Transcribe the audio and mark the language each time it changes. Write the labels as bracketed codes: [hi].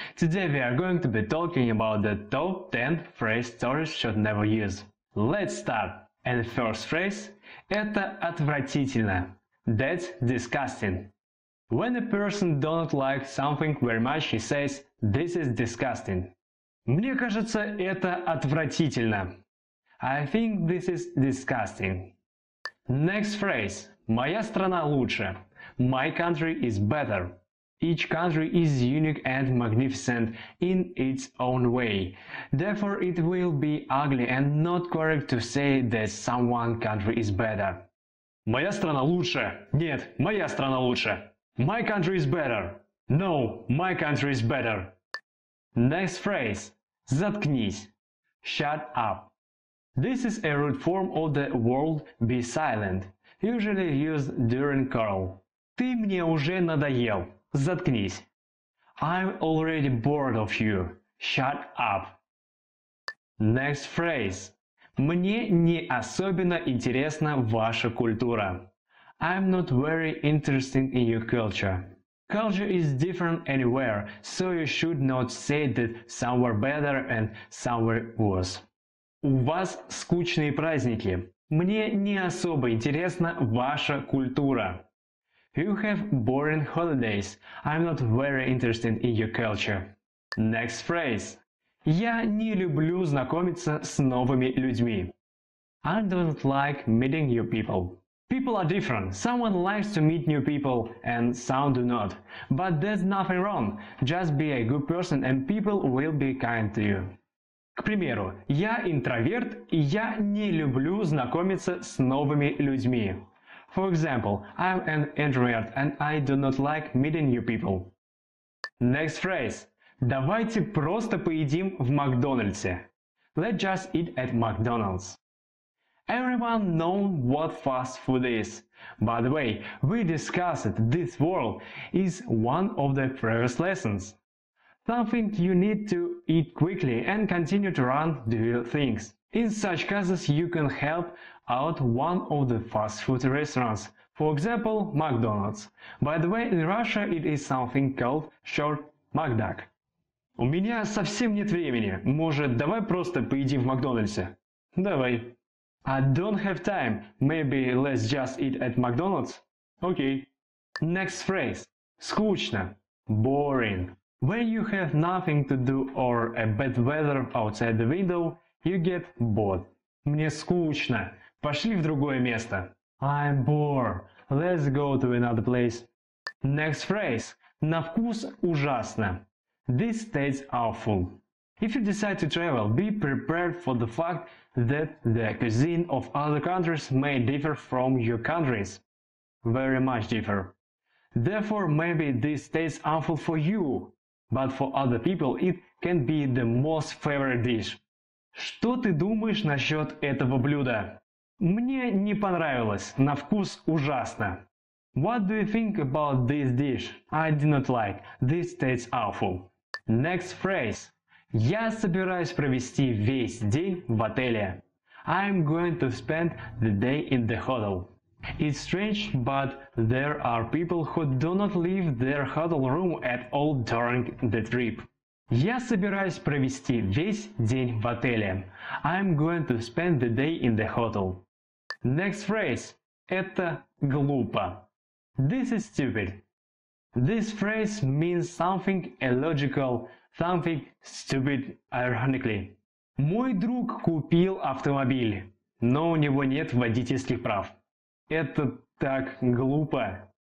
[en] Today we are going to be talking about the top 10 phrases tourists should never use. Let's start! And first phrase – [ru] это отвратительно. [en] That's disgusting. When a person don't like something very much, he says, this is disgusting. [ru] Мне кажется, это отвратительно. [en] I think this is disgusting. Next phrase – [ru] моя страна лучше. [en] My country is better. Each country is unique and magnificent in its own way. Therefore, it will be ugly and not correct to say that someone country is better. [ru] Моя страна лучше. Нет, моя страна лучше. [en] My country is better. No, my country is better. Next phrase. [ru] Заткнись. [en] Shut up. This is a root form of the word be silent, usually used during quarrel. [ru] Ты мне уже надоел. Заткнись. [en] I'm already bored of you. Shut up. Next phrase. [ru] Мне не особенно интересна ваша культура. [en] I'm not very interested in your culture. Culture is different anywhere, so you should not say that somewhere better and somewhere worse. [ru] У вас скучные праздники. Мне не особо интересна ваша культура. [en] You have boring holidays. I'm not very interested in your culture. Next phrase. [ru] Я не люблю знакомиться с новыми людьми. [en] I don't like meeting new people. People are different. Someone likes to meet new people and some do not. But there's nothing wrong. Just be a good person and people will be kind to you. [ru] К примеру, я интроверт и я не люблю знакомиться с новыми людьми. [en] For example, I'm an introvert and I do not like meeting new people. Next phrase. [ru] Давайте просто поедим в Макдональдсе. [en] Let's just eat at McDonald's. Everyone knows what fast food is. By the way, we discussed this word in one of the previous lessons. Something you need to eat quickly and continue to run do things. In such cases, you can help out one of the fast food restaurants, for example, McDonald's. By the way, in Russia it is something called short Макдак. [ru] У меня совсем нет времени. Может, давай просто поедим в Макдональдсе? Давай. [en] I don't have time. Maybe let's just eat at McDonald's? Okay. Next phrase. [ru] Скучно. [en] Boring. When you have nothing to do or a bad weather outside the window, you get bored. [ru] Мне скучно. Пошли в другое место. [en] I'm bored. Let's go to another place. Next phrase. [ru] На вкус ужасно. [en] This tastes awful. If you decide to travel, be prepared for the fact that the cuisine of other countries may differ from your countries. Very much differ. Therefore, maybe this tastes awful for you. But for other people, it can be the most favorite dish. [ru] Что ты думаешь насчет этого блюда? Мне не понравилось. На вкус ужасно. [en] What do you think about this dish? I do not like. This tastes awful. Next phrase. [ru] Я собираюсь провести весь день в отеле. [en] I'm going to spend the day in the hotel. It's strange, but there are people who do not leave their hotel room at all during the trip. [ru] Я собираюсь провести весь день в отеле. [en] I'm going to spend the day in the hotel. Next phrase. [ru] Это глупо. [en] This is stupid. This phrase means something illogical, something stupid, ironically. [ru] Мой друг купил автомобиль, но у него нет водительских прав. Это так глупо.